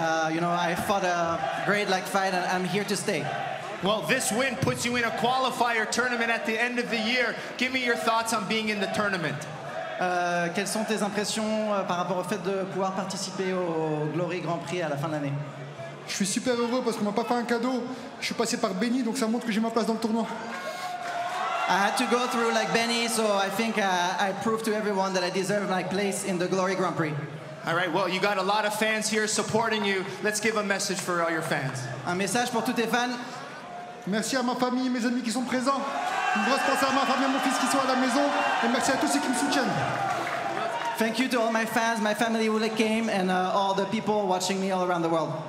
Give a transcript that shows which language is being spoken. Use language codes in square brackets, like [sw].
[en] You know, I fought a great like fight, and I'm here to stay. Well, this win puts you in a qualifier tournament at the end of the year. Give me your thoughts on being in the tournament. [fr] Quelles sont tes impressions par rapport au fait de pouvoir participer au Glory Grand Prix à la fin de l'année? Je suis super heureux parce qu'on m'a pas fait un cadeau. Je suis passé par Benny, donc ça montre que j'ai ma place dans le tournoi. [en] I had to go through like Benny, so I think I proved to everyone that I deserve my place in the Glory Grand Prix. All right, well, you got a lot of fans here supporting you. Let's give a message for all your fans. [fr] Un message pour tous tes fans. Merci à ma famille et mes amis qui sont présents. Une grosse pensée à ma femme et mon fils qui sont à la maison. Et merci à tous ceux qui me soutiennent. [en] Thank you to all my fans, my family who came, and all the people watching me all around the world.